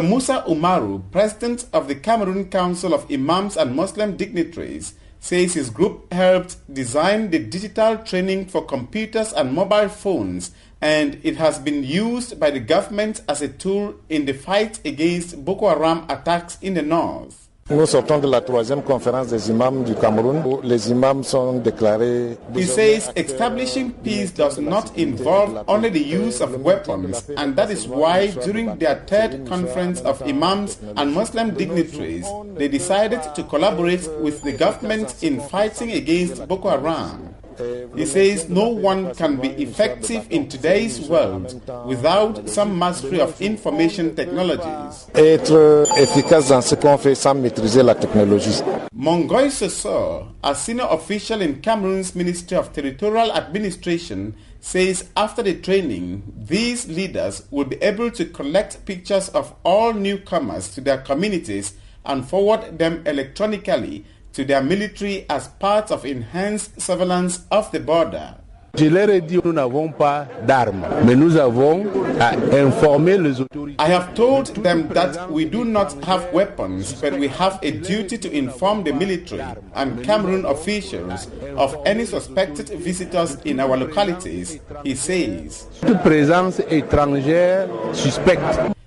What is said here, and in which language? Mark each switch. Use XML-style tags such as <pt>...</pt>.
<en>Musa Umaru, president of the Cameroon Council of Imams and Muslim Dignitaries, says his group helped design the digital training for computers and mobile phones, and it has been used by the government as a tool in the fight against Boko Haram attacks in the north.</en> <fr>Nous sortons de la troisième conférence des imams du Cameroun où les imams sont déclarés.</fr> <en>He says establishing peace does not involve only the use of weapons, and that is why during their third conference of imams and Muslim dignitaries, they decided to collaborate with the government in fighting against Boko Haram. He says no one can be effective in today's world without some mastery of information technologies.</en> <fr>Être efficace dans ce qu'on fait sans maîtriser la technologie.</fr> <en>Mongoy Sosor, a senior official in Cameroon's Ministry of Territorial Administration, says after the training, these leaders will be able to collect pictures of all newcomers to their communities and forward them electronically to their military as part of enhanced surveillance of the border.</en> <fr>Je leur ai dit, nous n'avons pas d'armes, mais nous avons à informer les autorités.</fr> <en>I have told them that we do not have weapons, but we have a duty to inform the military and Cameroon officials of any suspected visitors in our localities, he says.</en> <fr>Toute présence étrangère suspecte.</fr>